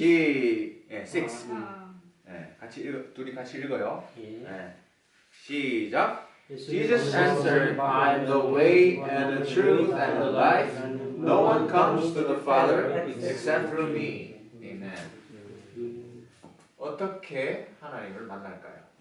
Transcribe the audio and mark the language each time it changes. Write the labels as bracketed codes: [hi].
[ko] 예, 예, 같이 읽어, 둘이 같이 읽어요. 예. 예. 시작. [en] Jesus answered, I am the way and the truth and the life. No one comes to the Father except through me. Amen. [ko] 어떻게 하나님을 만날까요?